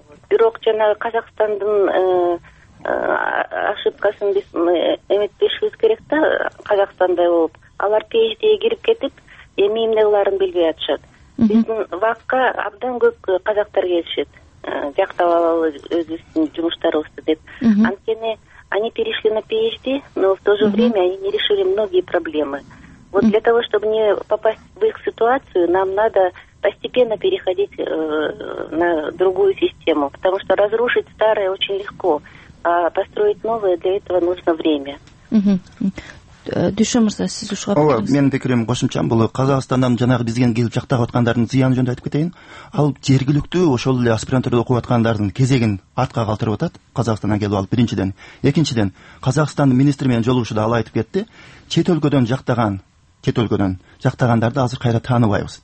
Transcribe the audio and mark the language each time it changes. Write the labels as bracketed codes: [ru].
[ky] Бирок жанагы Казакстандын ошибкасын биз эметпешибиз керек да, Казакстандай болуп алар PhDге кирип кетип эми эмне кыларын билбей атышат. Биздин вакка абдан көп казактар келишет, жактап алалы өзүбүздүн жумуштарыбызды деп. Анткени [ru] они перешли на PhD, но в то же время они не решили многие проблемы. Вот для того, чтобы не попасть в их ситуацию, нам надо постепенно переходить на другую систему, потому что разрушить старое очень легко, а построить новое для этого нужно время. [ky] Дүйшөн мырза, сиз ушуга пикириңиз? Ооба, менин пикирим кошумчам, бул Казакстандан жанагы бизге келип жактап аткандардын зыяны жөнүндө айтып кетейин. Ал жергиликтүү ошол эле аспирантурада окуп аткандардын кезегин артка калтырып атат Казакстандан келип алып. Биринчиден, экинчиден Казакстандын министр менен жолугушууда ал айтып кетти, чет өлкөдөн жактагандарды азыр кайра тааныбайбыз.